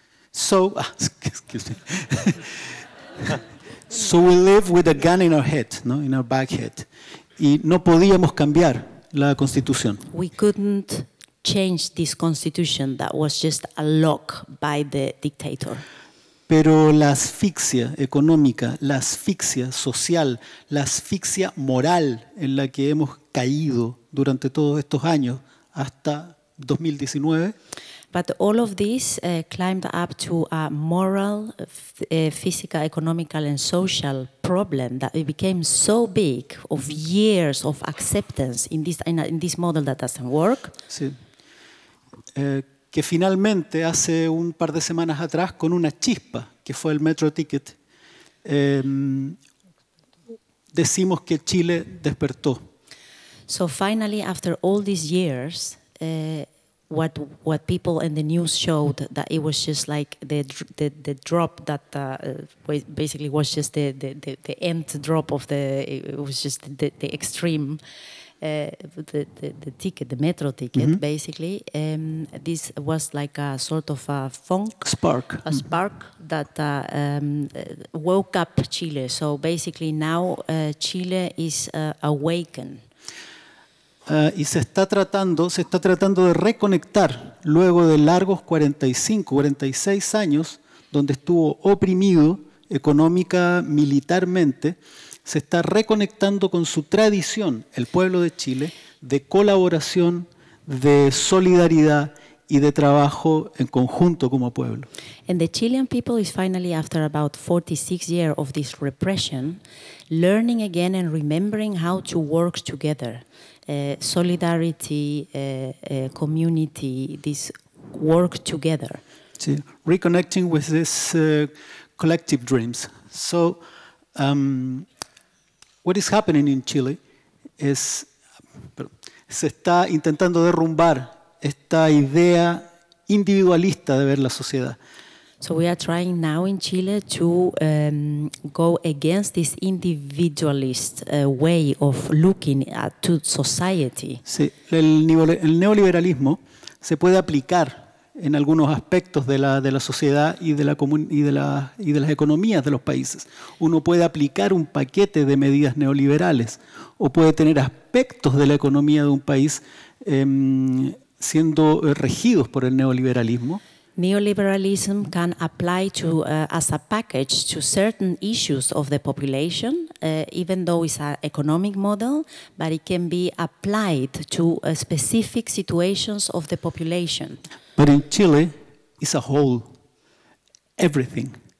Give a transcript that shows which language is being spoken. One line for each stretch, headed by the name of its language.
English: So, excuse me. So we live with a gun in our head, no, in our back head.
Spanish: Y no podíamos cambiar la constitución.
English: We couldn't change this constitution that was just a lock by the dictator.
Spanish: Pero la asfixia económica, la asfixia social, la asfixia moral en la que hemos caído durante todos estos años hasta 2019.
English: But all of this climbed up to a moral, physical, economical, and social problem that it became so big of years of acceptance in this model that doesn't work.
Spanish: Sí. Que finalmente hace un par de semanas atrás con una chispa que fue el metro ticket decimos que Chile despertó.
English: So finally, after all these years. What people and the news showed that it was just like the drop that basically was just the end drop of the it was just the extreme the ticket, the metro ticket, mm-hmm. basically. This was like a sort of a funk. Spark. A mm-hmm. spark that woke up Chile. So basically now Chile is awakened.
Spanish: Y se está tratando de reconectar luego de largos 45, 46 años donde estuvo oprimido económica, militarmente, se está reconectando con su tradición, el pueblo de Chile, de colaboración, de solidaridad y de trabajo en conjunto como pueblo.
English: And the Chilean people is finally, after about 46 years of this repression, learning again and remembering how to work together. Solidarity, community, this work together. Sí. Reconnecting with this collective dreams. So, what is happening in Chile is,
Spanish: se está intentando derrumbar esta idea individualista de ver la sociedad.
English: So we are trying now in Chile to go against this individualist way of looking at society.
Spanish: Sí, el neoliberalismo se puede aplicar en algunos aspectos de la sociedad y de las economías de los países. Uno puede aplicar un paquete de medidas neoliberales o puede tener aspectos de la economía de un país siendo regidos por el neoliberalismo.
English: Neoliberalism can apply to as a package to certain issues of the population, even though it's an economic model, but it can be applied to specific situations of the population. But in Chile, it's a whole, everything.